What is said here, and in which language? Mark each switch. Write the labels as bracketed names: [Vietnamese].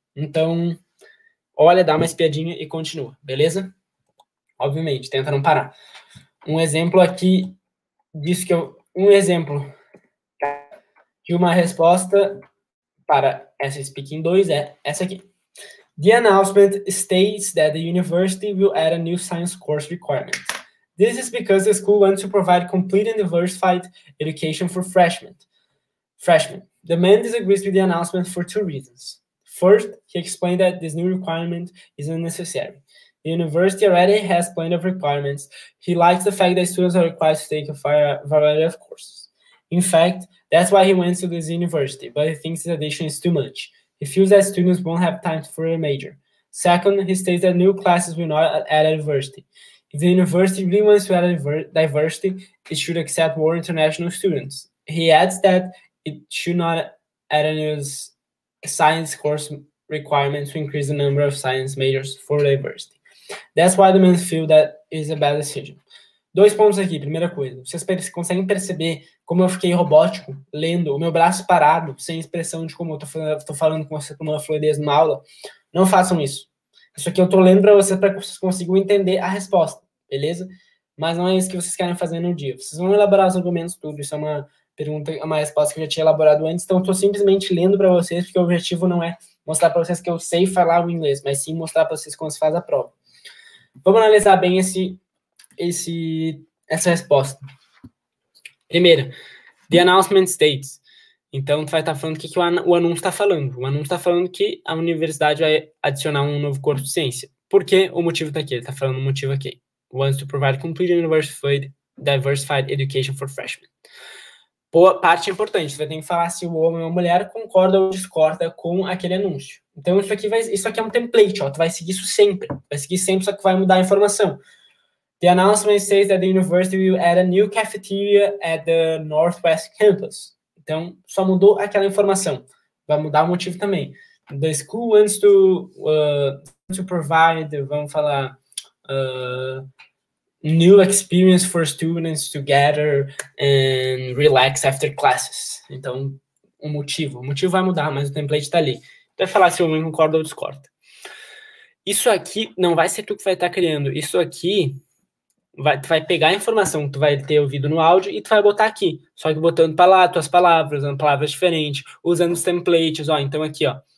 [Portuguese] Então, olha, dá uma espiadinha e continua, beleza? Obviamente, tenta não parar. Um exemplo aqui disso que eu. Um exemplo de uma resposta para essa speaking 2 é essa aqui. [English] The announcement states that the university will add a new science course requirement. This is because the school wants to provide complete and diversified education for freshmen. The man disagrees with the announcement for two reasons. First, he explained that this new requirement is unnecessary. The university already has plenty of requirements. He likes the fact that students are required to take a variety of courses. In fact, that's why he went to this university, but he thinks the addition is too much. He feels that students won't have time for a major. Second, he states that new classes will not add diversity. If the university really wants to add diversity, it should accept more international students. He adds that it should not add a new science course requirement to increase the number of science majors for diversity. That's why the men feel that is a bad decision. [Portuguese] Dois pontos aqui, primeira coisa. Vocês conseguem perceber como eu fiquei robótico lendo, o meu braço parado, sem expressão de como eu tô falando com você com uma fluidez na aula? Não façam isso. Isso aqui eu tô lendo para vocês consigam entender a resposta, beleza? Mas não é isso que vocês querem fazer no dia. Vocês vão elaborar os argumentos tudo, isso é uma pergunta, uma resposta que eu já tinha elaborado antes, então eu tô simplesmente lendo para vocês, porque o objetivo não é mostrar para vocês que eu sei falar o inglês, mas sim mostrar para vocês como se faz a prova. Vamos analisar bem essa resposta. Primeiro, [English] the announcement states. [Portuguese] Então, tu vai estar falando o que o anúncio está falando. O anúncio está falando que a universidade vai adicionar um novo corpo de ciência. Por que o motivo está aqui? Ele está falando o motivo aqui. [English] Wants to provide complete university diversified education for freshmen. [Portuguese] Parte importante, você tem que falar se o homem ou a mulher concorda ou discorda com aquele anúncio. Então, isso aqui é um template, ó. Tu vai seguir isso sempre. Vai seguir sempre, só que vai mudar a informação. [English] The announcement says that the university will add a new cafeteria at the Northwest Campus. [Portuguese] Então, só mudou aquela informação. Vai mudar o motivo também. [English] The school wants to provide, [Portuguese] vamos falar, [English] new experience for students to gather and relax after classes. [Portuguese] Então, o motivo vai mudar, mas o template está ali. Vai falar se o homem concorda ou discorda. Isso aqui não vai ser tu que vai estar criando. Isso aqui tu vai pegar a informação que tu vai ter ouvido no áudio e tu vai botar aqui. Só que botando para lá tuas palavras, usando palavras diferentes, usando os templates, ó. Então aqui, ó.